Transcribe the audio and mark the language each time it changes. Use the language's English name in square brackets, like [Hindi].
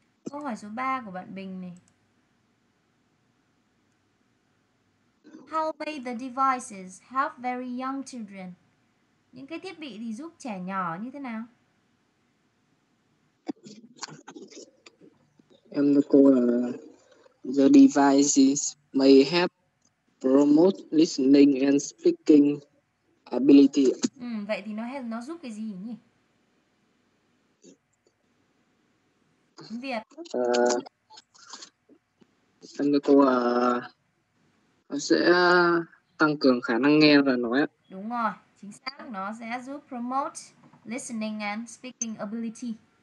[Vietnamese] Câu hỏi số 3 của bạn Bình này. [English] How may the devices help very young children? [Vietnamese] Những cái thiết bị thì giúp trẻ nhỏ như thế nào? Em câu là [English] the devices may help promote listening and speaking ability. [Vietnamese] Ừ, vậy thì nó giúp cái gì nhỉ? Việt. Em cái cô nó sẽ tăng cường khả năng nghe và nói. Đúng rồi, chính xác, nó sẽ giúp [English] promote listening and speaking ability.